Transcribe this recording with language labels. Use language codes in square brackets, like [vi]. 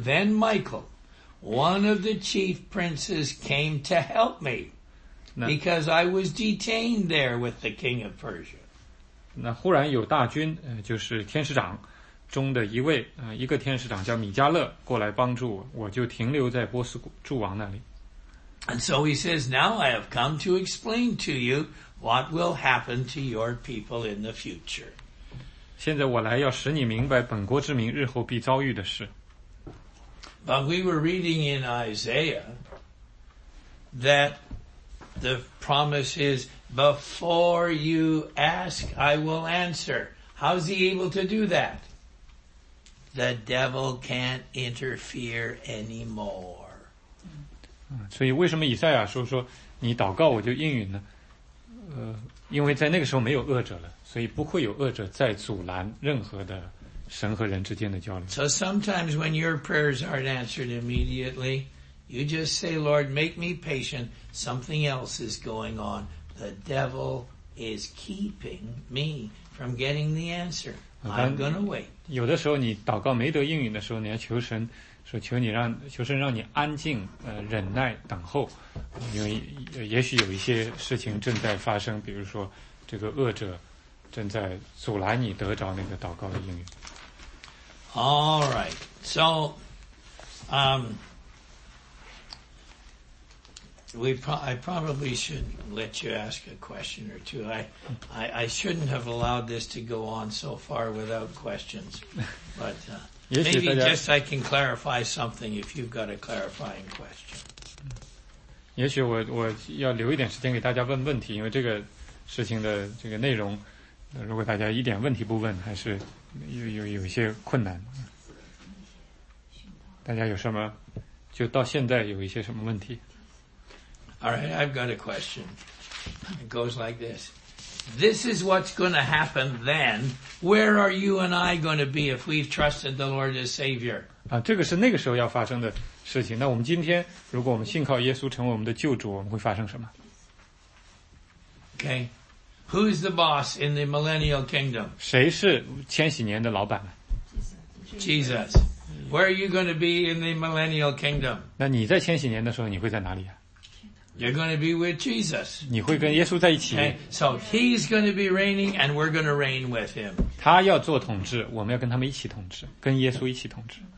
[en] Then Michael, one of the chief princes, came to help me because I was detained there with the king of Persia. [zh] 那忽然有大军，就是天使长中的一位，一个天使长叫米迦勒过来帮助我，我就停留在波斯诸王那里。 [en] And so he says, now I have come to explain to you what will happen to your people in the future. [zh] 现在我来要使你明白本国之民日后必遭遇的事。 [en] But we were reading in Isaiah that the promise is, before you ask, I will answer. How is he able to do that? The devil can't interfere anymore. [zh] 所以为什么以赛亚说说你祷告我就应允呢？因为在那个时候没有恶者了，所以不会有恶者再阻拦任何的神和人之间的交流。 [en] So sometimes when your prayers aren't answered immediately, you just say, Lord, make me patient. Something else is going on. The devil is keeping me from getting the answer. I'm going to wait. [zh] 有的时候你祷告没得应允的时候，你要求神说求你让求神让你安静，忍耐等候，因为也许有一些事情正在发生，比如说这个恶者正在阻拦你得着那个祷告的应允。 [en] All right, so, I probably should let you ask a question or two. I shouldn't have allowed this to go on so far without questions. But maybe just I can clarify something if you've got a clarifying question. [zh] 也许我要留一点时间给大家问问题，因为这个事情的这个内容，如果大家一点问题不问，还是有一些困难。大家有什么？就到现在有一些什么问题？ [en] All right, I've got a question. It goes like this. This is what's going to happen then. Where are you and I going to be if we've trusted the Lord as Savior? [zh] 这个是那个时候要发生的事情。那我们今天，如果我们信靠耶稣成为我们的救主，我们会发生什么？ [en] Okay. Who's the boss in the millennial kingdom? [zh] 谁是千禧年的老板？ [en] Jesus. Where are you going to be in the millennial kingdom? [zh] 那你在千禧年的时候，你会在哪里啊？ [en] You're going to be with Jesus. [zh] 你会跟耶稣在一起。 [en] Okay, so he's going to be reigning and we're going to reign with him. [zh] 他要做统治，我们要跟他们一起统治，跟耶稣一起统治。